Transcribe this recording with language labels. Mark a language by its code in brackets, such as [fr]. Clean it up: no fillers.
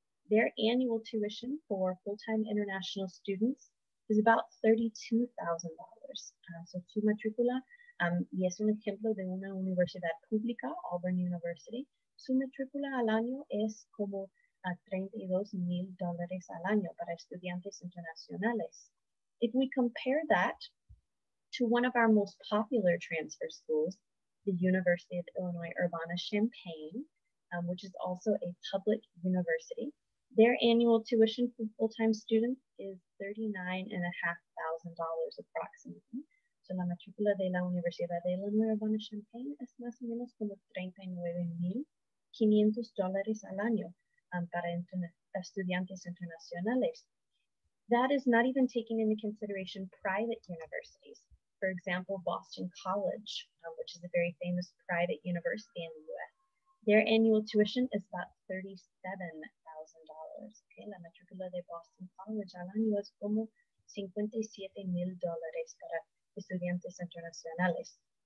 [en] Their annual tuition for full-time international students is about $32,000. [es] So su matrícula, y es un ejemplo de una universidad pública, Auburn University, su matrícula al año es como $32,000 al año para estudiantes internacionales. [en] If we compare that to one of our most popular transfer schools, the University of Illinois Urbana-Champaign, which is also a public university, their annual tuition for full-time students is $39,500 approximately. [es] So la matrícula de la Universidad de Illinois Urbana-Champaign es más o menos como $39,500 al año para estudiantes internacionales. [en] That is not even taking into consideration private universities. For example, Boston College, which is a very famous private university in the US, their annual tuition is about $37,000. [es] Okay, la matrícula de Boston College al año es como $57,000 para estudiantes internacionales.